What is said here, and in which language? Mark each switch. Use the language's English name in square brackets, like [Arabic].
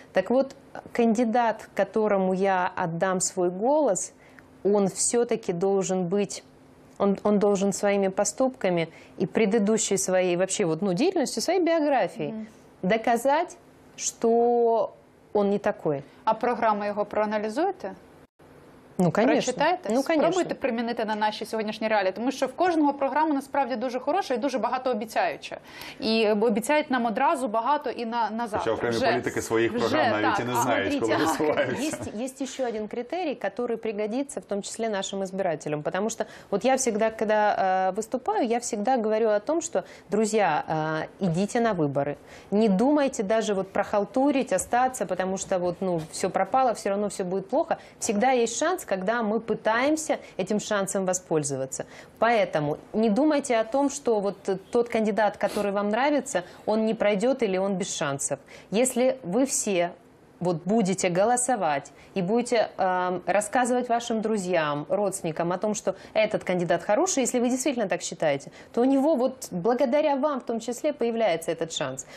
[Russian] Так вот, кандидат, которому я отдам свой голос, он все-таки должен быть, он должен своими поступками и предыдущей своей, вообще вот, ну, деятельностью, своей биографией доказать, что он не такой. А программа его проанализуете? Ну, конечно. Прочитайте, ну, конечно. [Ukrainian] Спробуйте примінити на наші сьогоднішні реалії, тому що в кожного програму насправді дуже хороша і дуже багато обіцяюча. І обіцяють нам одразу багато і на завтра. Хоча окремі політики своїх програм вже, навіть так, і не знають, коли висуваються. Є ще один критерій, який пригодиться в тому числі [Russian] нашим избирателям. [Ukrainian] Тому що от я завжди, коли виступаю, я завжди говорю [Russian] о том, [Ukrainian] що, друзі, ідіть на вибори. Не думайте навіть вот, прохалтурити, остатися, тому що вот, ну, все пропало, все одно все буде плохо. [Russian] Всегда є шанс, когда мы пытаемся этим шансом воспользоваться. Поэтому не думайте о том, что вот тот кандидат, который вам нравится, он не пройдет или он без шансов. Если вы все вот будете голосовать и будете рассказывать вашим друзьям, родственникам о том, что этот кандидат хороший, если вы действительно так считаете, то у него вот благодаря вам в том числе появляется этот шанс.